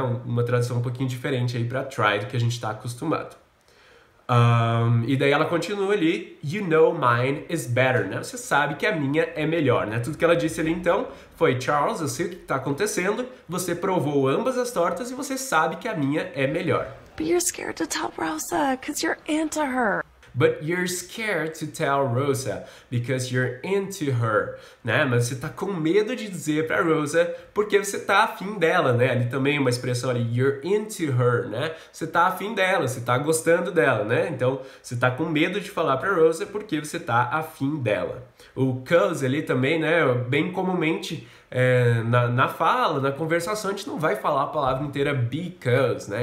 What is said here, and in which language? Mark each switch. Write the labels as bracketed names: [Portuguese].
[Portuguese] Uma tradução um pouquinho diferente aí para try do que a gente está acostumado. E daí ela continua ali, [English] you know mine is better, [Portuguese] né? Você sabe que a minha é melhor, né? Tudo que ela disse ali então foi, Charles, eu sei o que tá acontecendo, você provou ambas as tortas e você sabe que a minha é melhor. [English] But you're scared to tell Rosa, because you're into her. But you're scared to tell Rosa, because you're into her, né? [Portuguese] Mas você tá com medo de dizer pra Rosa, porque você tá afim dela, né? Ali também uma expressão ali, [English] you're into her, [Portuguese] né? Você tá afim dela, você tá gostando dela, né? Então, você tá com medo de falar pra Rosa, porque você tá afim dela. O 'cause ali também, né? Bem comumente, na fala, na conversação, a gente não vai falar a palavra inteira because, né?